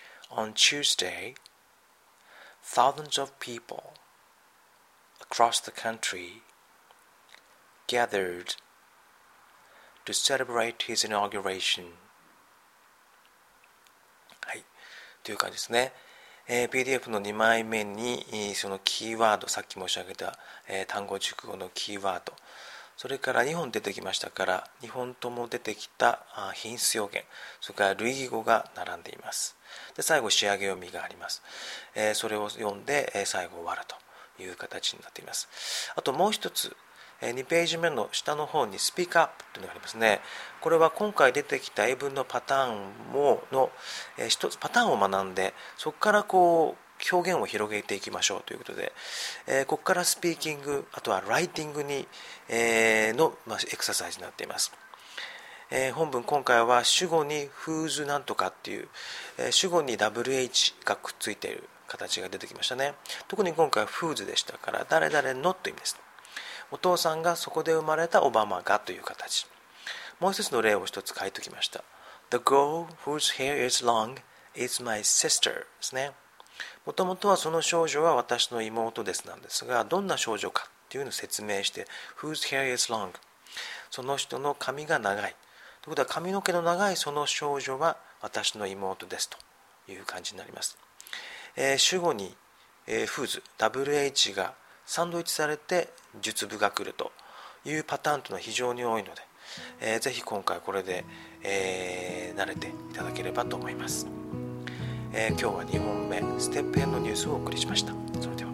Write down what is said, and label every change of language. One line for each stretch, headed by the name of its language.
English: On Tuesday, thousands of people across the country gathered to celebrate his inauguration.
Japanese: はい、という感じですね。 PDF の2枚目にそのキーワード、さっき申し上げた単語熟語のキーワード、それから2本出てきましたから、2本とも出てきた品質要件、それから類義語が並んでいます。で、最後仕上げ読みがあります。それを読んで最後終わるという形になっています。あともう一つ、2ページ目の下の方にスピークアップというのがありますね。これは今回出てきた英文のパターンもの一つ、パターンを学んで、そこからこう表現を広げていきましょうということで、ここからスピーキング、あとはライティングに、の、まあ、エクササイズになっています。本文今回は主語に Who's なんとかっていう、主語に WH がくっついている形が出てきましたね。特に今回は Who's でしたから、誰々のという意味です。お父さんがそこで生まれたオバマがという形。もう一つの例を一つ書いておきました。
English: The girl whose hair is long is my sister
Japanese: ですね。もともとはその少女は私の妹ですなんですが、どんな少女かっていうのを説明して、
English: whose hair is long、
Japanese: その人の髪が長いということは、髪の毛の長いその少女は私の妹ですという感じになります。主語に、whose、 wh がサンドイッチされて述語が来るというパターンというのは非常に多いので、ぜひ今回これで、慣れていただければと思います。今日は2本目、ステップ編のニュースをお送りしました。それ